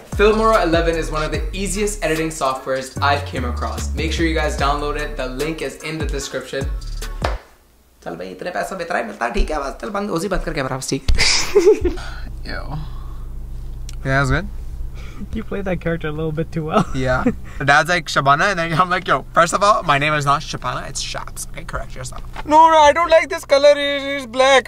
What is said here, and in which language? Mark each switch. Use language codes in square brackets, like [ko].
[en] Filmora 11 is one of the easiest editing softwares I've came across, make sure you guys download it, the link is in the description. [hi] चल भाई इतने पैसा बेहतर ही मिलता, ठीक है बस चल बंद, उसी बंद कर कैमरा बस, ठीक। [en] Yo. Yeah, that's good. You played that character a little bit too well. Yeah. Dad's like Shabana, and then I'm like, yo, first of all, my name is not Shabana, it's Shabs. Okay, correct yourself. No, I don't like this color, it's black.